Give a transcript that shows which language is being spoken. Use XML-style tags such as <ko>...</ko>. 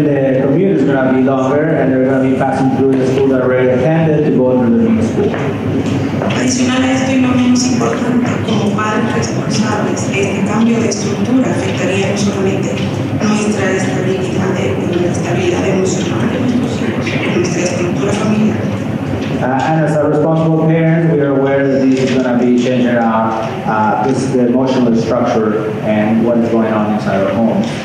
<en>Even the commute is going to be longer and they're going to be passing through the school that already attended to go to the new school.</en> <es>Adicional a esto y no menos importante, como padres responsables, este cambio de estructura afectaría no solamente nuestra estabilidad, estabilidad emocional de nuestros hijos, nuestra estructura familiar.</es> <en>And as a responsible parent, we are aware that this is going to be changing our the emotional structure and what is going on inside our home.</en>